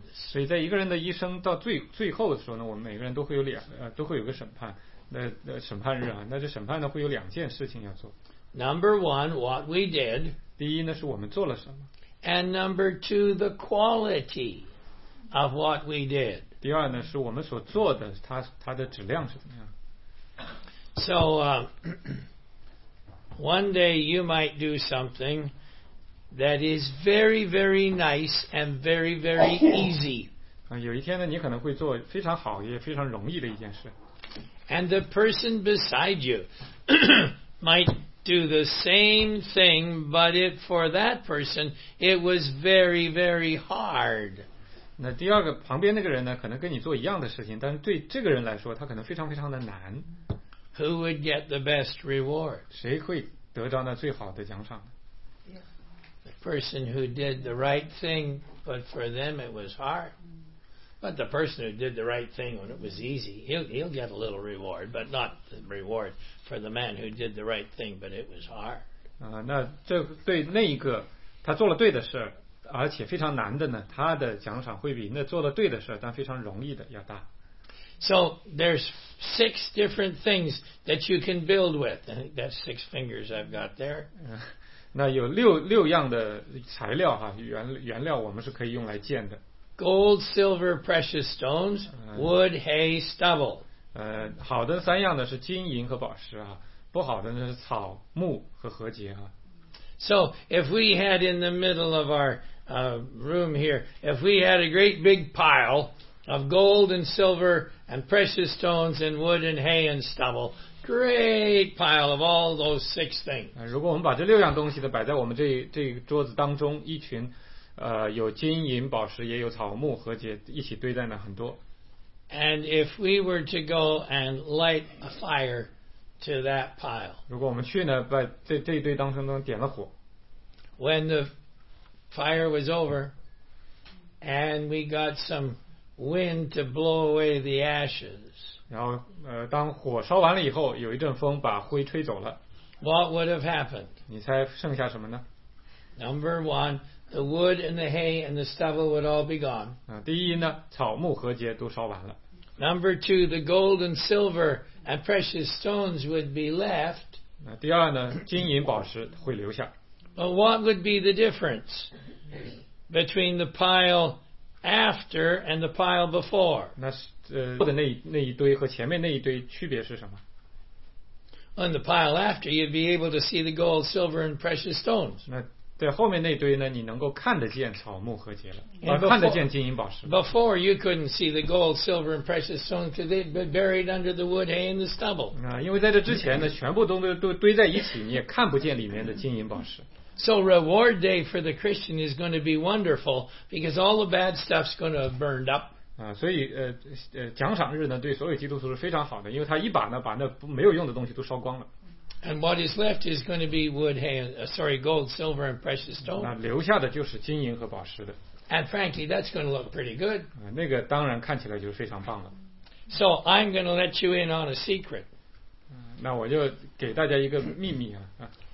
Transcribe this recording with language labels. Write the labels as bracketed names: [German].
[Chinese] 所以在一个人的一生到最后的时候呢，我们每个人都会有都会有个审判，那审判日啊，那这审判呢会有两件事情要做。 [English] Number one, what we did. [Chinese] 第一呢是我们做了什么。 [English] And number two, the quality of what we did. [Chinese] 第二呢是我们所做的它的质量是怎么样。 [English] So, one day you might do something that is very, very nice and very, very easy. [Chinese] 有一天呢，你可能会做非常好也非常容易的一件事。 [English] And the person beside you might do the same thing, but it, for that person, it was very, very hard. [Chinese] 那第二个旁边那个人呢，可能跟你做一样的事情，但是对这个人来说，他可能非常非常的难。 [English] Who would get the best reward? [Chinese] 谁会得到那最好的奖赏呢？ [English] The person who did the right thing, but for them it was hard. But the person who did the right thing when it was easy, he'll get a little reward, but not the reward for the man who did the right thing, but it was hard. [Chinese] 那这对那一个他做了对的事而且非常难的呢，他的奖赏会比那做了对的事但非常容易的要大。 [English] So there's six different things that you can build with. That's six fingers I've got there. [Chinese] 那有六样的材料哈，原料我们是可以用来建的。 [English] Gold, silver, precious stones, wood, hay, stubble. [Chinese] 好的三样呢是金银和宝石啊，不好的呢是草木和禾秸啊。 [English] So if we had in the middle of our room here, if we had a great big pile of gold and silver and precious stones and wood and hay and stubble, great pile of all those six things. [Chinese] 如果我们把这六样东西呢摆在我们这桌子当中，一群有金银宝石，也有草木禾秸，一起堆在那很多。 [English] And if we were to go and light a fire to that pile, [Chinese] 如果我们去呢，把这堆当中点了火。 [English] When the fire was over, and we got some wind to blow away the ashes, [Chinese] 然后当火烧完了以后，有一阵风把灰吹走了。 [English] What would have happened? [Chinese] 你猜剩下什么呢 [English] ？Number one. The wood and the hay and the stubble would all be gone. [Chinese] 第一呢，草木禾秸都烧完了。 [English] Number two, the gold and silver and precious stones would be left. [Chinese] 第二呢，金银宝石会留下。 [English] But what would be the difference between the pile after and the pile before? [Chinese] 那是那一堆和前面那一堆区别是什么？ [English] On the pile after, you'd be able to see the gold, silver, and precious stones. [Chinese] 在后面那堆呢，你能够看得见草木禾秸了，看得见金银宝石。 [English] Before you couldn't see the gold, silver, and precious stones because they'd been buried under the wood, hay, and the stubble. [Chinese] 因为在这之前呢，全部都堆在一起，你也看不见里面的金银宝石。 [English] So reward day for the Christian is going to be wonderful because all the bad stuff's going to have burned up. [Chinese] 所以奖赏日呢，对所有基督徒是非常好的，因为他一把呢，把那没有用的东西都烧光了。 [English] And what is left is going to be wood, hay, gold, silver, and precious stone. [Chinese] 那留下的就是金银和宝石的。 [English] And frankly, that's going to look pretty good. [Chinese] 那个当然看起来就非常棒了。 [English] So I'm going to let you in on a secret. [Chinese] 那我就给大家一个秘密啊。